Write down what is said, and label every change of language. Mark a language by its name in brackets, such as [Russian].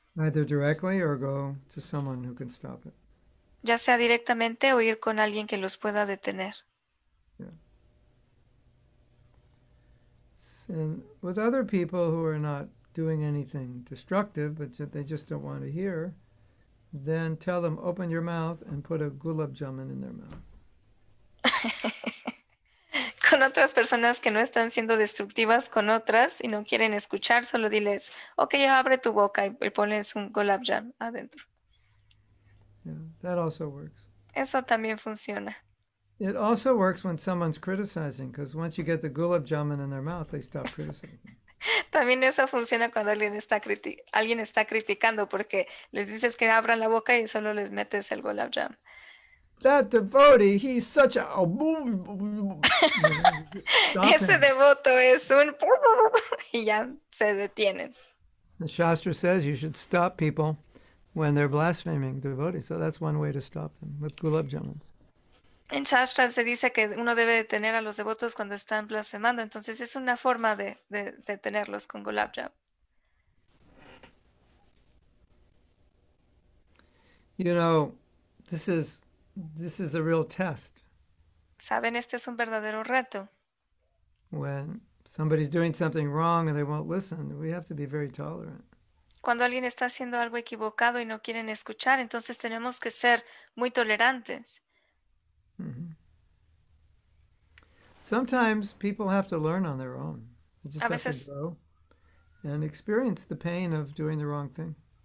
[English] Either directly or go to someone who can stop it. [Spanish] Ya sea directamente o ir con alguien que los pueda detener. [English] And with other people who are not doing anything destructive, but they just don't want to hear. Then tell them, open your mouth and put a gulab jamun in their mouth. [Spanish] Con otras personas que no están siendo destructivas con otras y no quieren escuchar, solo diles, ok, abre tu boca y pones un gulab jam adentro. [English] That also works. [Spanish] Eso también funciona. [English] It also works when someone's criticizing, because once you get the gulab jamun in their mouth, they stop criticizing. [Spanish] También eso funciona cuando alguien está criticando porque les dices que abran la boca y solo les metes el gulab jam. [English] That devotee, he's such a boom, you just stop [Spanish] Ese [English] him. [Spanish] devoto es un y ya se detienen. [English] The Shastra says you should stop people when they're blaspheming devotees. So that's one way to stop them with gulab jamuns. [Spanish] En Shastra se dice que uno debe detener a los devotos cuando están blasfemando, entonces es una forma de detenerlos con gulab jam. [English] You know, this is a real test. [Spanish] Saben, este es un verdadero reto. [English] When somebody's doing something wrong and they won't listen, we have to be very tolerant. [Spanish] Cuando alguien está haciendo algo equivocado y no quieren escuchar, entonces tenemos que ser muy tolerantes. [English] Sometimes people have to learn on their own. They just [Spanish] A veces, [English] have to go and experience the pain of doing the wrong thing.